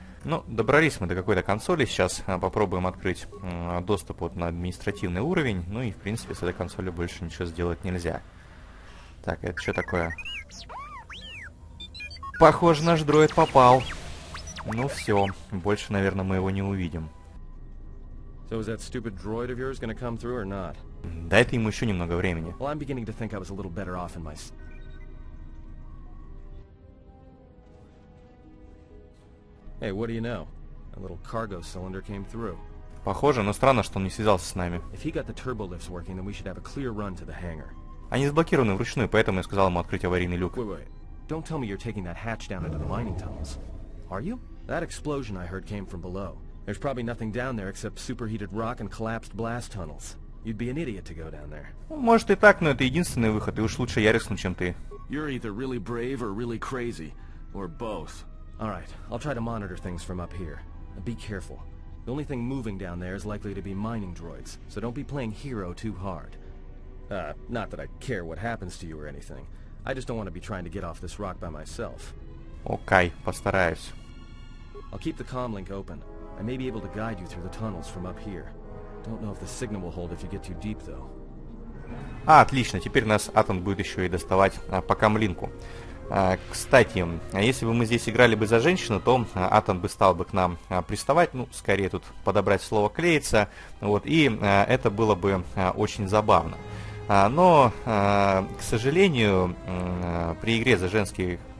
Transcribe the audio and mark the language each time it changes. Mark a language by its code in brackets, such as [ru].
[ru] Ну, добрались мы до какой-то консоли, сейчас попробуем открыть доступ вот на административный уровень, ну и, в принципе, с этой консолью больше ничего сделать нельзя. Так, это что такое? Похоже, наш дроид попал. Ну все, больше, наверное, мы его не увидим. [en] So is that stupid droid of yours gonna come through or not? [ru] Дайте ему еще немного времени. [en] Well, I'm beginning to think I was a little better off in my... Hey, what do you know? A little cargo cylinder came through. [ru] Похоже, но странно, что он не связался с нами. [en] If he got the turbo lifts working, then we should have a clear run to the hangar. [ru] Они заблокированы вручную, поэтому я сказал ему открыть аварийный люк. [en] Wait. Don't tell me you're taking that hatch down into the mining tunnels. Are you? That explosion I heard came from below. There's probably nothing down there except superheated rock and collapsed blast tunnels. You'd be an idiot to go down there. [ru] Может и так, но это единственный выход, и уж лучше я рискну, чем ты. [en] You're either really brave or really crazy, or both. All right, I'll try to monitor things from up here. Be careful. The only thing moving down there is likely to be mining droids, so don't be playing hero too hard. Not that I care what happens to you or anything. I just don't want to be trying to get off this rock by myself. [ru] Окей, постараюсь. [en] I'll keep the comm link open. I may be able to guide you through the tunnels from up here. Don't know if the signal will hold if you get too deep, though. [ru] А, отлично. Теперь нас Атон будет еще и доставать по комлинку. Кстати, если бы мы здесь играли бы за женщину, то Атон бы стал бы к нам приставать. Ну, скорее тут подобрать слово клеиться. Вот, и это было бы очень забавно. Но, к сожалению, при игре за женский...